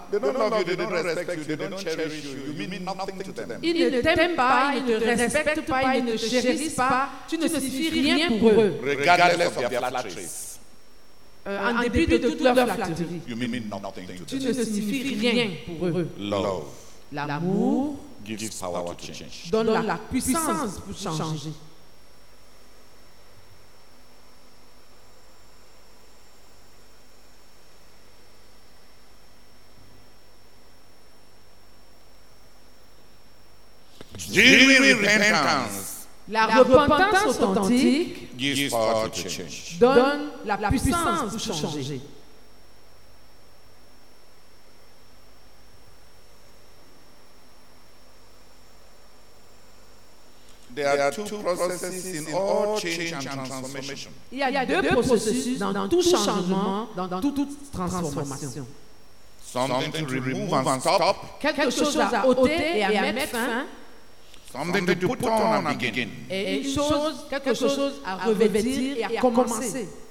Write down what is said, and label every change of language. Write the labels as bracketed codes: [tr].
[en] they don't love you, they don't respect you, they don't cherish you, you mean nothing to them. [fr] Ils ne t'aiment pas, ils ne te respectent pas, ils ne te chérissent pas, tu ne signifies rien pour eux. [en] Regardless of their flatteries. [fr] En dépit de toute leur flatterie, [en] you mean nothing to [fr] tu ne signifies rien pour eux. [en] Love. [fr] L'amour [en] gives power to change. [fr] Donne la puissance pour changer. [en] Genuine repentance. [fr] La repentance authentique [en] gives power to change. [fr] Donne la puissance pour changer. [en] There are two processes in all change and transformation. [fr] Il y a deux processus dans tout changement, dans toute transformation. [en] Something to remove and stop. [fr] Quelque chose à ôter et à mettre fin. [en] Something to put on and begin. [fr] Et une chose, quelque chose à revêtir et à commencer.